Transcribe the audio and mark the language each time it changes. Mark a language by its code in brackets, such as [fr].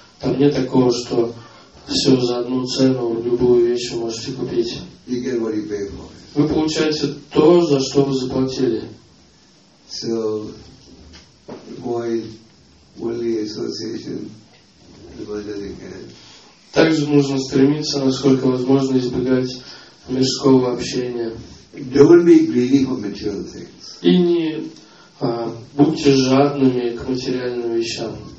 [ru] Там нет такого, что все за одну цену, любую вещь вы можете купить. [en] You get what you pay for. [ru] Вы получаете то, за что вы заплатили. [en] So, avoid worldly association as much as you can. [ru] Также нужно стремиться, насколько возможно, избегать мирского общения. [en] Don't be greedy for material things. [ru] И не будьте жадными к материальным вещам.